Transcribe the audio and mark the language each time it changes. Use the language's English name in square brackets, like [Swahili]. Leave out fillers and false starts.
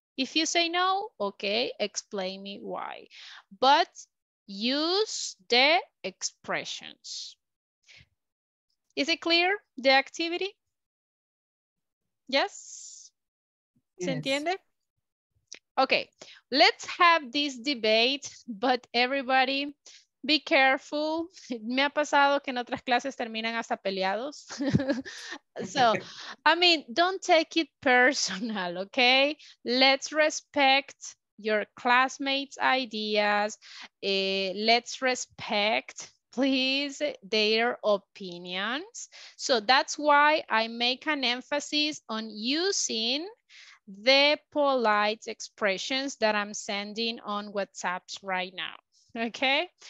[English] If you say no, okay, explain me why. But use the expressions. Is it clear, the activity? Yes? Yes. [Spanish] ¿Se entiende? [English] Okay, let's have this debate, but everybody be careful. [Spanish] Me ha pasado que en otras clases terminan hasta peleados. [English] So, I mean, don't take it personal, okay? Let's respect your classmates' ideas. Let's respect, please, their opinions. So that's why I make an emphasis on using the polite expressions that I'm sending on WhatsApp right now, okay?